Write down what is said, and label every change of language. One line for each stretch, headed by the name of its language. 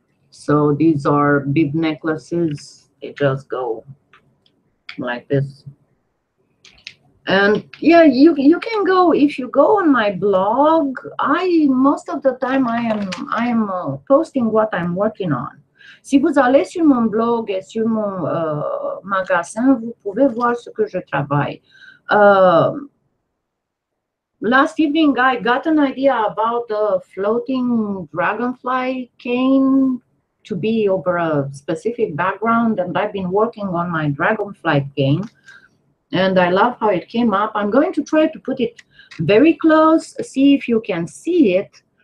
English: So these are bead necklaces. They just go like this. And yeah, you can go, if you go on my blog, most of the time I am posting what I'm working on.
French: Si vous allez sur mon blog et sur mon magasin, vous pouvez voir ce que je travaille.
English: Last evening, I got an idea about a floating dragonfly cane to be over a specific background, and I've been working on my dragonfly cane. And I love how it came up. I'm going to try to put it very close, see if you can see it.